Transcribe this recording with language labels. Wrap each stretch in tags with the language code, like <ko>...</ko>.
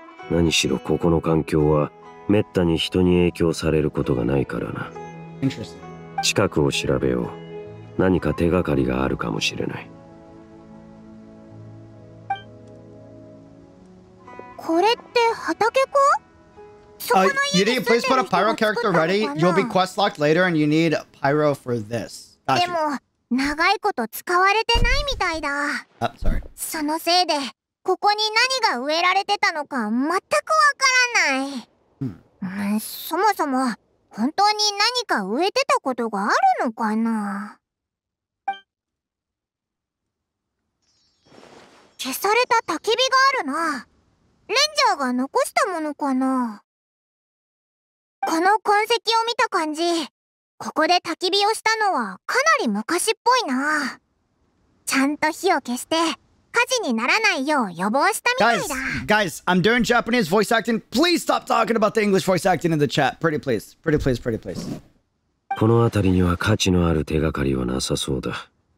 <ja>何しろここの環境は滅多に人に影響されることがないからな。</ja> <en>Interesting.</en> <ja>近くを調べよう。何か手がかりがあるかもしれない。これって畑か？そこの家に住んでる人が作ったのかな？</ja> <en>You need to place You'll be quest locked later and you need pyro for this.</en> <ja>でも、長いこと使われてないみたいだ。</ja> <en>Sorry.</en> <ja>そのせいで、ここに何が植えられてたのか全くわからない。そもそも、本当に何か植えてたことがあるのかな？消された焚き火があるな。レンジャーが残したものかな。この痕跡を見た感じ、ここで焚き火をしたのはかなり昔っぽいな。ちゃんと火を消して火事にならないよう予防したみたいだ。</ja> <en>Guys, I'm doing Japanese voice acting. Please stop talking about the English voice acting in the chat. Pretty please, pretty please, pretty please.</en> <ja>この辺りには価値のある手がかりはなさそうだ。</ja>